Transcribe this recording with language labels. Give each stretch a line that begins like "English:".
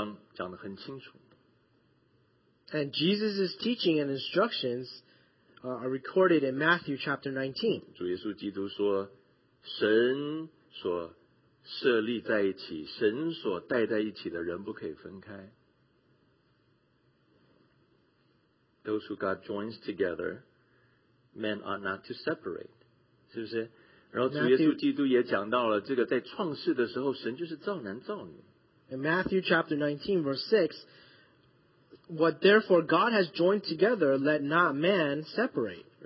Chinese: 当然这段这个主耶稣基督的这段教导是在马太福音第十九章讲得很清楚。
English: And Jesus' teaching and instructions are recorded in Matthew chapter 19.
Chinese: 主耶稣基督说，神所设立在一起，神所带在一起的人不可以分开。
English: Those who God joins together, men ought not to separate.
Chinese: 是不是? 然后主耶稣基督也讲到了这个在创世的时候神就是造男造女。
English: In Matthew chapter 19, verse 6, what therefore God has joined together, let not man separate.